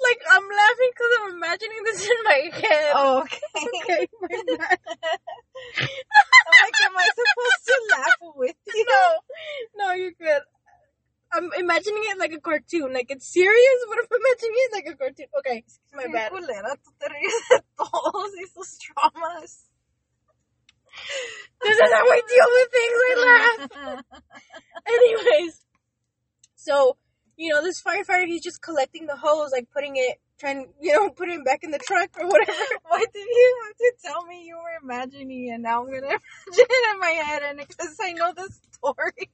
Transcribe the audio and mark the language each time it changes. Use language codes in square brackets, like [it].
[en] like, I'm laughing because I'm imagining this in my head. Oh, okay. Okay, my bad. I'm like, am I supposed to laugh with you? No, you're good. I'm imagining it like a cartoon. Like, it's serious, but I'm imagining it like a cartoon. Okay, my bad. [es] Culera, tú te ríes de todos esos traumas. [en] This is how I deal with things, I laugh. Anyways, so... You know, this firefighter, he's just collecting the hose, like, putting it back in the truck or whatever. Why did you have to tell me you were imagining it? Now I'm going to imagine it in my head, and because I know the story.